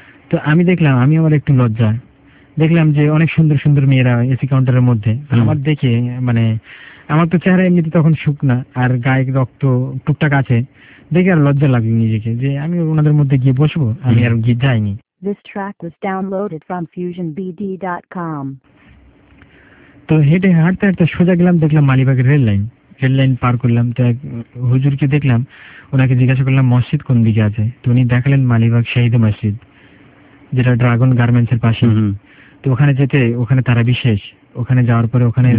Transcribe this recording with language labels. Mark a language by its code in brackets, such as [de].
[bn] তো আমি দেখলাম, আমি আমার একটু লজ্জা দেখলাম যে অনেক সুন্দর সুন্দর মেয়েরা এসি কাউন্টারের মধ্যে, আমার দেখে মানে আমার তো চেহারা এমনিতে তখন শুকনা আর গায়ে রক্ত টুকটাক আছে, দেখে আর লজ্জা লাগলো নিজেকে যে আমি ওনাদের মধ্যে গিয়ে বসবো, আমি আর গিয়ে যাইনি। [en] This track was downloaded from fusionbd.com. [bn] তো হেঁটে হাঁটতে হাঁটতে সোজা গেলাম, দেখলাম মালিবাগের রেল লাইন, রেল লাইন পার করলাম, তো এক হুজুরকে দেখলাম, ওনাকে জিজ্ঞাসা করলাম মসজিদ কোন দিকে আছে, তো উনি দেখালেন মালিবাগ শহীদ মসজিদ যেটা ড্রাগন গার্মেন্টস এর পাশে, তো ওখানে যেতে ওখানে তারা বিশেষ, ওখানে যাওয়ার পরে ওখানে